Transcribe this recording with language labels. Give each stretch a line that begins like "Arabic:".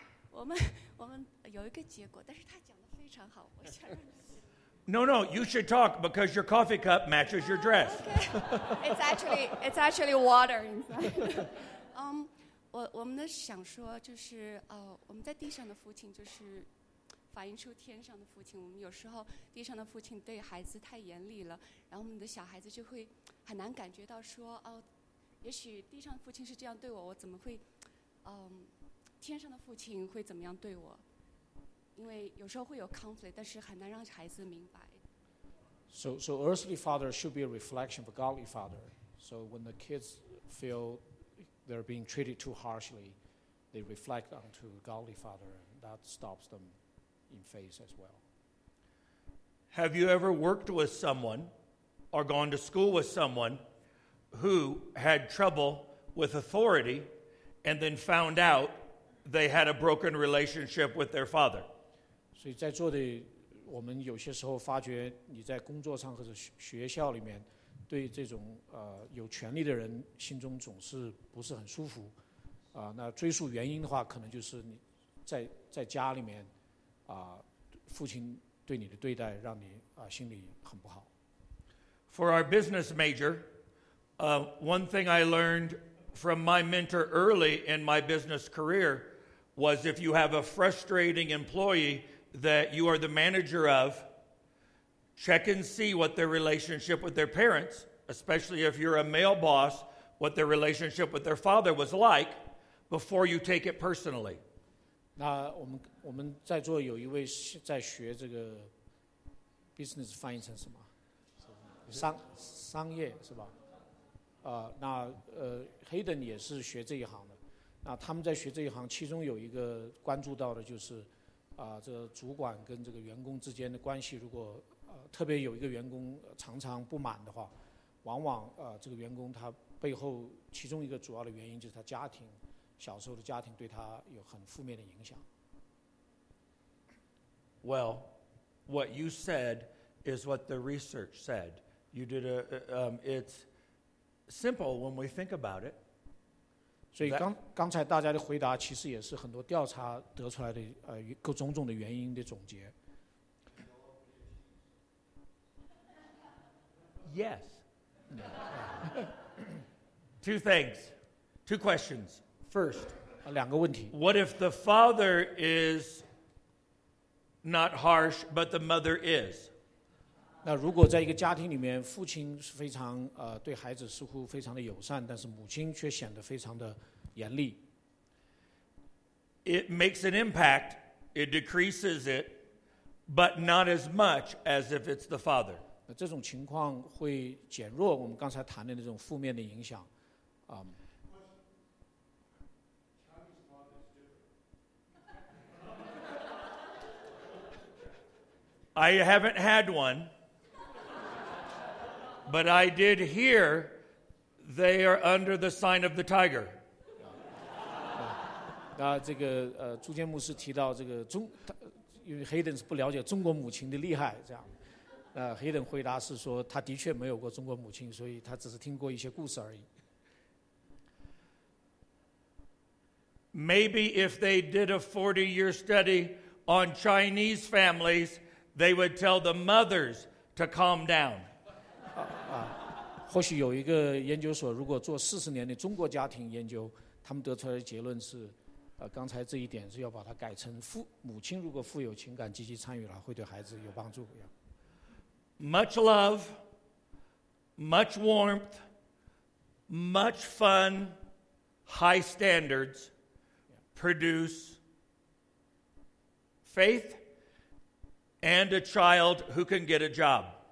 Chinese: 我们有一个结果，但是他讲的非常好，我想让你。
English: No, you should talk because your coffee cup matches your dress. Okay. It's actually water inside.
Chinese: 我们的想说就是我们在地上的父亲就是反映出天上的父亲，我们有时候地上的父亲对孩子太严厉了，然后我们的小孩子就会很难感觉到说也许地上的父亲是这样对我，我怎么会天上的父亲会怎么样对我。因为有时候会有 conflict， 但是很难让孩子明白。
English: So earthly father should be a reflection of a godly father. So when the kids feel they're being treated too harshly, they reflect onto godly father. That stops them in faith as well. Have you ever worked with someone or gone to school with someone who had trouble with authority and then found out they had a broken relationship with their father?
Chinese: 所以在座的我们有些时候发觉你在工作上或者学校里面对这种有权力的人心中总是不是很舒服那追溯原因的话可能就是你在家里面父亲对你的对待让你心里很不好。
English: For our business major, one thing I learned from my mentor early in my business career was if you have a frustrating employeeThat you are the manager of, check and see what their relationship with their parents, especially if you're a male boss, what their relationship with their father was like, before you take it personally.
Chinese: 那我们在座有一位在学这个 business 翻译成什么？商业是吧？Hayden 也是学这一行的。那他们在学这一行，其中有一个关注到的就是。这主管跟这个员工之间的关系，如果特别有一个员工常常不满的话，往往这个员工他背后其中一个主要的原因就是他家庭小时候的家庭对他有很负面的影响。
English: Well, what you said is what the research said. You did a it's simple when we think about it.
Chinese: 所以刚才大家的回答其实也是很多调查得出来的各种种的原因的总结。
English: Yes. Two things. Two questions. First,
Chinese: 两个问题。
English: What if the father is not harsh, but the mother is?
Chinese: 那如果在一个家庭里面，父亲是非常对孩子似乎非常的友善，但是母亲却显得非常的严厉。
English: It makes an impact. It decreases it, but not as much as if it's the father.
Chinese: 这种情况会减弱我们刚才谈的那种负面的影响、
English: I haven't had one but I did hear they are under the sign of the tiger
Chinese: 那这个朱建牧师提到这个中因为 Hayden 是不了解中国母亲的厉害这样Hayden 回答是说他的确没有过中国母亲所以他只是听过一些故事而已
English: Maybe if they did a 40-year study on Chinese families they would tell the mothers to calm down
Chinese: 或许有一个研究所如果做40年的中国家庭研究他们得出来的结论是刚才这一点是要把它改成母亲如果富有情感积极参与了会对孩子有帮助
English: Much love, much warmth, much fun, high standards produce faith and a child who can get a job.